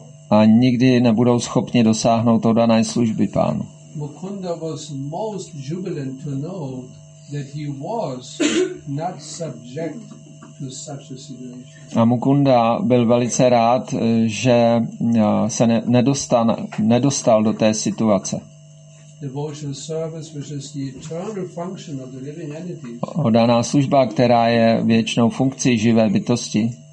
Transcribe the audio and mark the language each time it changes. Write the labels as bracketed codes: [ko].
[cs] A nikdy nebudou schopni dosáhnout dané služby pánu. [en] Mukunda was most jubilant to know that he was not subject to such a situation. [cs] A Mukunda byl velice rád, že se nedostal do té situace. [en] Devotional service, which is the eternal function of the living entities. [cs] Oddaná služba, která je věčnou funkcí živé bytosti,